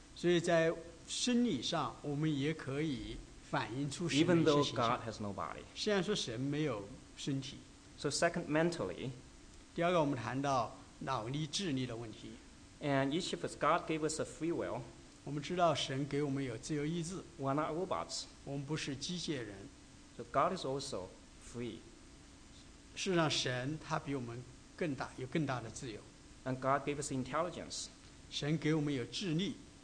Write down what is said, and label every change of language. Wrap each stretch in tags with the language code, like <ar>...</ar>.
<zh>所以在生理上，我们也可以反映出神的形象。</zh> <en>Even though God has no body.</en> <zh>虽然说神没有身体。</zh> <en>So second, mentally.</en> <zh>第二个，我们谈到脑力、智力的问题。</zh> <en>And each of us, God gave us a free will.</en> <zh>我们知道神给我们有自由意志。</zh> <en>We are not robots.</en> <zh>我们不是机械人。</zh> <en>So God is also free.</en> <zh>事实上，神他比我们更大，有更大的自由。</zh> <en>And God gave us intelligence.</en> <zh>神给我们有智力。</zh>